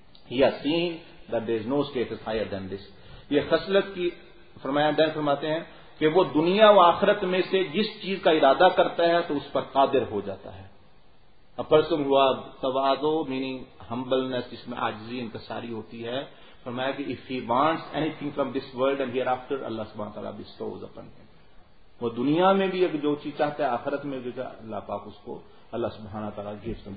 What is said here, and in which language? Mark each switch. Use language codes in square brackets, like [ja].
[en] He has seen that there is no status higher than this. [ur] یہ خصلت کی فرمایا دین فرماتے ہیں کہ وہ دنیا و آخرت میں سے جس چیز کا ارادہ کرتا ہے تو اس پر قادر ہو جاتا ہے. [en] a person [ur] ہوا تواضع [en] meaning humbleness, [ur] جس میں عاجزی انکساری ہوتی ہے. فرمایا کہ [en] if he wants anything from this world and hereafter Allah سبحانہ وتعالیٰ bestows upon him. [ur] وہ دنیا میں بھی اگر جو چیز چاہتا ہے آخرت میں بھی اللہ پاک اس کو اللہ سبحانہ وتعالیٰ [en] gives him.